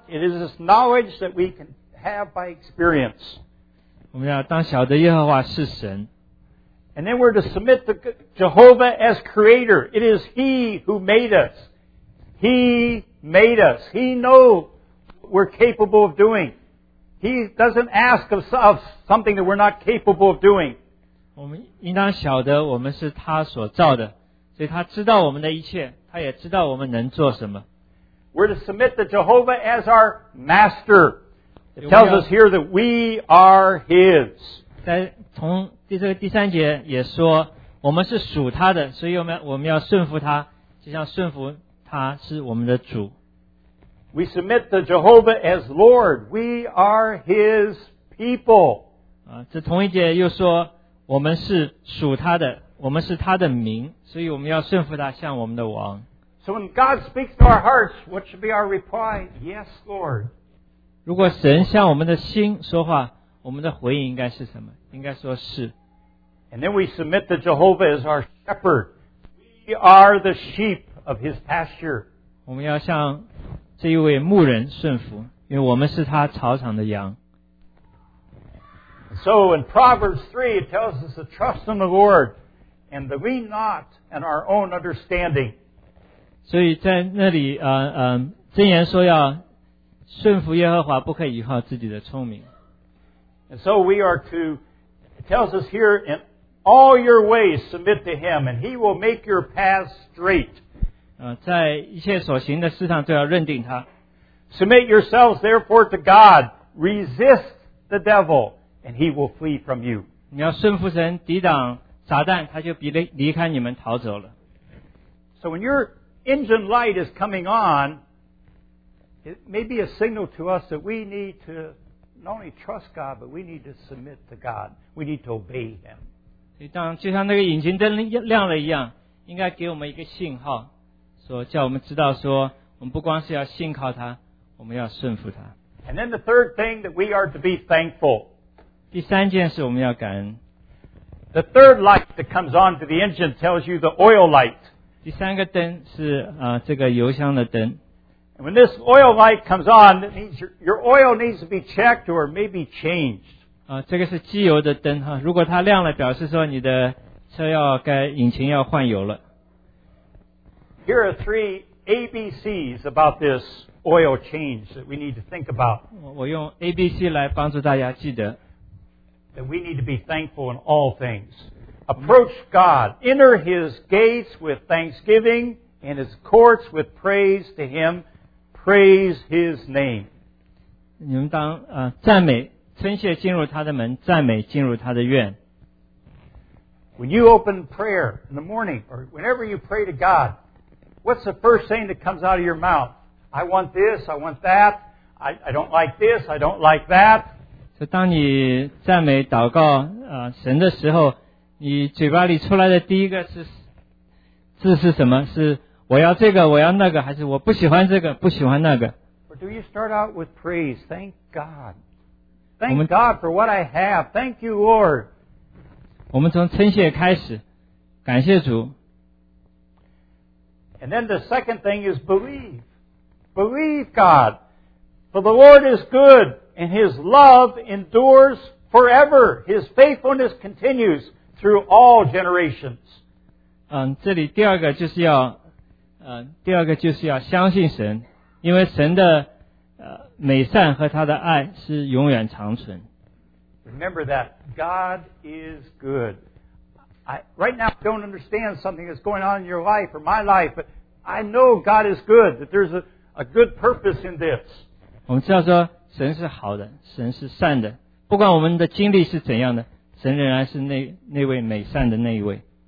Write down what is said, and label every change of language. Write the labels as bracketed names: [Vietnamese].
[English] It is this knowledge that we can have by experience. [Chinese] 我们要当晓得耶和华是神。 [English] And then we're to submit to Jehovah as Creator. It is He who made us. He made us. He knows what we're capable of doing. He doesn't ask of us something that we're not capable of doing. [Chinese] 我们应当晓得我们是他所造的，所以他知道我们的一切，他也知道我们能做什么。 [English] We're to submit to Jehovah as our Master. It tells us here that we are His. [Chinese] 从这个第三节也说我们是属他的，所以我们要顺服他，就像顺服他是我们的主。 [English] We submit to Jehovah as Lord. We are His people. [Chinese] 这同一节又说我们是属他的，我们是他的民，所以我们要顺服他，像我们的王。 [English] So when God speaks to our hearts, what should be our reply? Yes, Lord. [Chinese] 如果神向我们的心说话，我们的回应应该是什么？应该说是。 [English] And then we submit to Jehovah as our shepherd. We are the sheep of His pasture. [Chinese] 我们要向这一位牧人顺服，因为我们是他草场的羊。 [English] So in Proverbs 3, it tells us to trust in the Lord and to lean not on our own understanding. [Chinese] 所以在那里，箴言说要顺服耶和华，不可以依靠自己的聪明。 [English] And so we are to, it tells us here, in all your ways submit to Him, and He will make your path straight. [Chinese] 在一切所行的事上都要认定他。 [English] Submit yourselves therefore to God. Resist the devil, and he will flee from you. [Chinese] 你要顺服神，抵挡撒旦，他就离开你们逃走了。 [English] So when your engine light is coming on, it may be a signal to us that we need to not only trust God, but we need to submit to God. We need to obey Him. [Chinese] 就像那个引擎灯亮了一样，应该给我们一个信号，说叫我们知道说，我们不光是要信靠他，我们要顺服他。 [English] And then the third thing that we are to be thankful. [Chinese] 第三件事我们要感恩。 [English] The third light that comes on to the engine tells you the oil light. [Chinese] 第三个灯是这个油箱的灯。 [English] When this oil light comes on, it means your oil needs to be checked or maybe changed. [Chinese] 这个是机油的灯哈，如果它亮了，表示说你的车要该引擎要换油了。 [English] Here are three ABCs about this oil change that we need to think about. [Chinese] 我用 ABC 来帮助大家记得。 [English] That we need to be thankful in all things. Approach God. Enter His gates with thanksgiving and His courts with praise to Him. Praise His name. [Chinese] 你们当赞美，称谢进入他的门，赞美进入他的院。 [English] When you open prayer in the morning, or whenever you pray to God, what's the first thing that comes out of your mouth? I want this, I want that, I don't like this, I don't like that. [Chinese] 所以当你赞美祷告神的时候，你嘴巴里出来的第一个字是什么？是我要这个，我要那个，还是我不喜欢这个，不喜欢那个？ [English] Or do you start out with praise? Thank God. Thank God for what I have. Thank you, Lord. [Chinese] 我们从称谢开始，感谢主。 [English] And then the second thing is believe. Believe God. For the Lord is good, and His love endures forever. His faithfulness continues through all generations. [Chinese] 这里第二个就是要第二个就是要相信神，因为神的美善和他的爱是永远长存。 [English] Remember that God is good. right now I don't understand something that's going on in your life or my life, but I know God is good, that there's a good purpose in this. [Chinese] 我们知道说神是好的，神是善的。不管我们的经历是怎样的，神仍然是那位美善的那一位。